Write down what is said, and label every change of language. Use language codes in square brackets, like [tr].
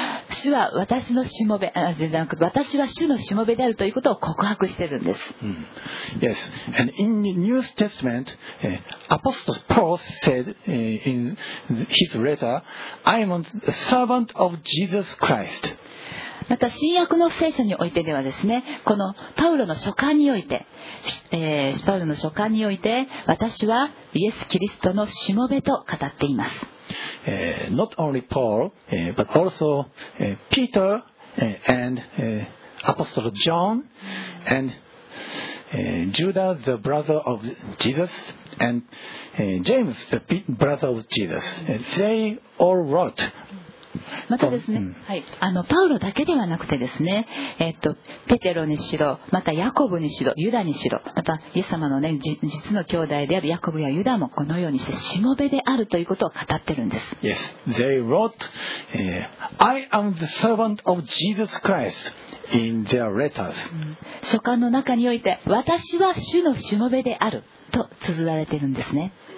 [ja] 主は私のしもべ、なんか私は主のしもべであるということを告白しているんです。 [en] Yes, and in the New Testament, Apostle Paul said in his letter, I am the servant of Jesus Christ. [ja] また新約の聖書においてではですね、このパウロの書簡において、パウロの書簡において私はイエス・キリストのしもべと語っています。 [en] Not only Paul, but also Peter and Apostle John and Judah the brother of Jesus and James the brother of Jesus they all wrote [ja] またですね、はい、パウロだけではなくてですね、ペテロにしろ、またヤコブにしろ、ユダにしろ、またイエス様のね、実の兄弟であるヤコブやユダもこのようにしてしもべであるということを語っているんです。 [en] Yes, they wrote I am the servant of Jesus Christ in their letters. [ja] 書簡の中において私は主のしもべであると綴られているんですね。